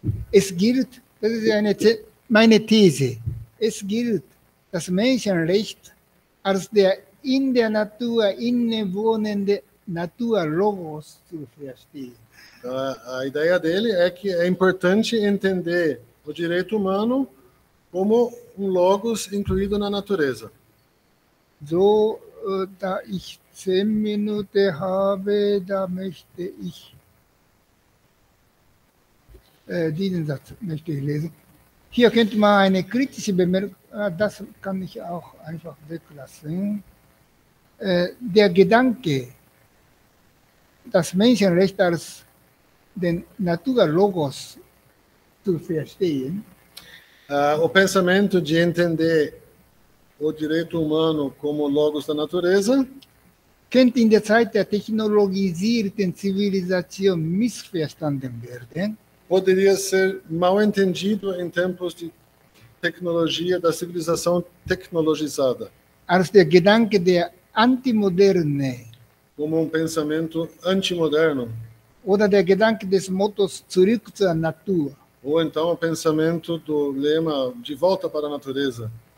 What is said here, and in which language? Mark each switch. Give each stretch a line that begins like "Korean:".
German: Es gilt, das ist meine These, es gilt das Menschenrecht als der in der Natur innewohnende Naturlogos zu verstehen.
Portuguese: A ideia dele é que é importante entender o direito humano como um logos incluído na natureza.
German: So, da ich 10 Minuten habe, da möchte ich diesen Satz möchte ich lesen. Hier könnte man eine kritische Bemerkung, das kann ich auch einfach weglassen. Der Gedanke, das Menschenrecht als den Naturlogos zu verstehen.
Portuguese: O pensamento de entender o direito humano como Logos da Natureza
German: könnte in der Zeit der technologisierten Zivilisation missverstanden werden.
Portuguese: Poderia ser mal entendido em tempos de tecnologia da civilização tecnologizada.
German: Als der Gedanke der Antimoderne.
Portuguese: Como um pensamento antimoderno.
German: Oder der Gedanke des Mottos zurück zur Natur.
Portuguese: Ou então o pensamento do lema de volta para a natureza.